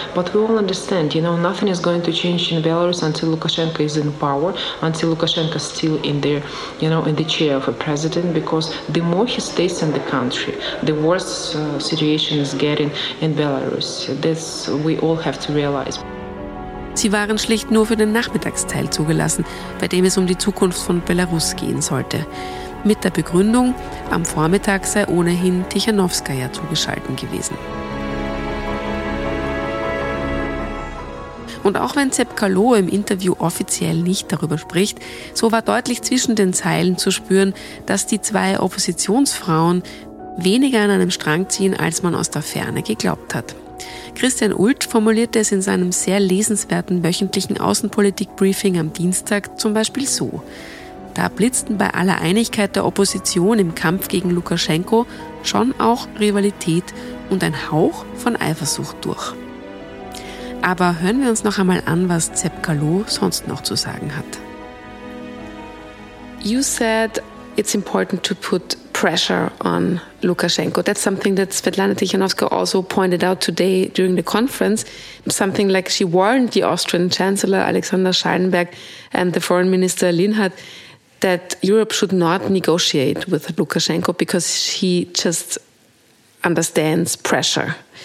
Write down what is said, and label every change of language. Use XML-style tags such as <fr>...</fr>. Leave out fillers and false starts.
<en>But we all understand, nothing is going to change in Belarus until Lukashenko is in power, until Lukashenko is still in the chair of a president, because the more he stays in the country, the worst situation is getting in Belarus. This we all have to realize.</en> <de>Sie waren schlicht nur für den Nachmittagsteil zugelassen, bei dem es um die Zukunft von Belarus gehen sollte. Mit der Begründung, am Vormittag sei ohnehin Tichanowskaja zugeschalten gewesen. Und auch wenn Zepkalo im Interview offiziell nicht darüber spricht, so war deutlich zwischen den Zeilen zu spüren, dass die zwei Oppositionsfrauen weniger an einem Strang ziehen, als man aus der Ferne geglaubt hat. Christian Ulth formulierte es in seinem sehr lesenswerten wöchentlichen Außenpolitik-Briefing am Dienstag zum Beispiel so. Da blitzten bei aller Einigkeit der Opposition im Kampf gegen Lukaschenko schon auch Rivalität und ein Hauch von Eifersucht durch. Aber hören wir uns noch einmal an, was Zepkalo sonst noch zu sagen hat.</de> <en>You said it's important to put pressure on Lukaschenko. That's something that Svetlana Tichanowska also pointed out today during the conference, something like she warned the Austrian Chancellor Alexander Schallenberg and the foreign minister Linhart that Europe should not negotiate with Lukaschenko because he just understands pressure.</en>